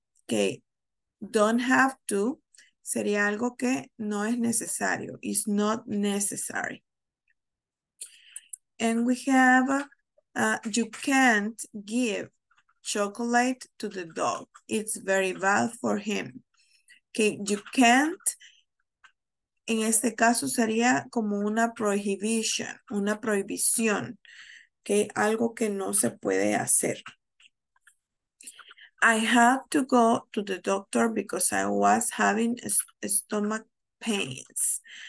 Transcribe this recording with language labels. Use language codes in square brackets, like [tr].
[en] Okay, don't have to [es] sería algo que no es necesario, [en] it's not necessary. And we have, you can't give chocolate to the dog, it's very bad for him. Okay, you can't. [es] En este caso sería como una prohibition, una prohibición, que okay, algo que no se puede hacer. [en] I had to go to the doctor because I was having stomach pains.